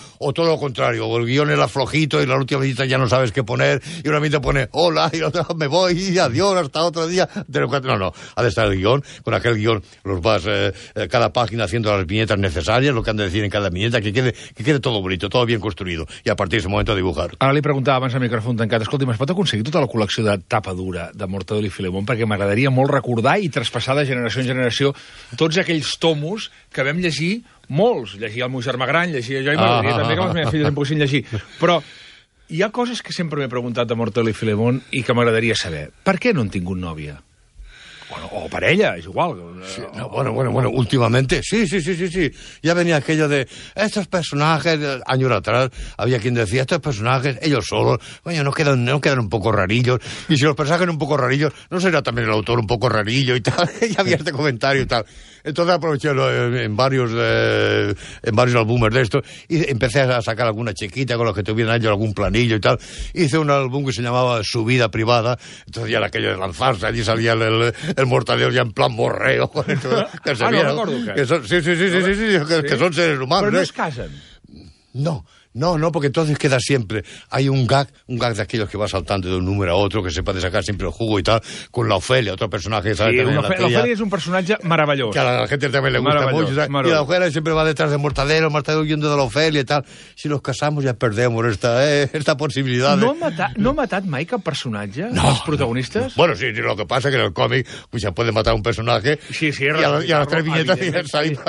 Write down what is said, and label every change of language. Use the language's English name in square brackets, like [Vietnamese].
[Spanish] O todo lo contrario, o el guión era flojito y la última viñeta ya no sabes qué poner, y una vez te pone hola, y otra me voy, y adiós, hasta otro día. No, ha de estar el guión, con aquel guión los vas cada página haciendo las viñetas necesarias, lo que han de decir en cada viñeta, que quede todo bonito, todo bien construido, y a partir de ese momento a dibujar. [Catalan] Ara li preguntava abans al micròfon tancat, escolti, ¿me pot aconseguir tota la col·lecció de tapa dura de Mortadelo i Filemón? Perquè m'agradaria molt recordar i traspassar de generació en generació tots aquells tomos que vam llegir, molts, llegir el meu germà gran, llegir jo, i m'agradaria també que les meves filles em poguessin llegir, però... Hi ha coses que sempre m'he preguntat a Mortadelo i Filemón i que m'agradaria saber. Per què no han tingut nòvia? O parella, és igual. [Spanish] Sí, no, bueno, últimamente, sí. Ja venia aquello de... Estos personajes, años atrás, había quien decía, estos personajes, ellos solos, coño, no quedan un poco rarillos. Y si los personajes son un poco rarillos, ¿no será también el autor un poco rarillo y tal? Ya había este comentario y tal. Entonces aproveché en varios álbumes de esto y empecé a sacar alguna chiquita con los que tuvieran ellos algún planillo y tal. Hice un álbum que se llamaba Su vida privada. Entonces ya era aquello de lanzarse, allí salía el Mortadelo ya en plan morreo. Que se vieron, no recuerdo que son seres humanos. Pero no se casan. No, No, porque entonces queda siempre. Hay un gag de aquellos que va saltando de un número a otro, que se puede sacar siempre el jugo y tal, con la Ofelia, otro personaje que sale también en la tele. La Ofelia es un personaje maravilloso. Que a la gente también le gusta mucho. Y la Ofelia siempre va detrás de Mortadelo huyendo de la Ofelia y tal. Si nos casamos ya perdemos esta posibilidad. [Catalan] No ha matat mai cap personatge, els protagonistes? No. [Spanish] Bueno, sí, lo que pasa es que en el cómic pues, se puede matar un personatge sí, y a las tres viñetas ya salimos sí.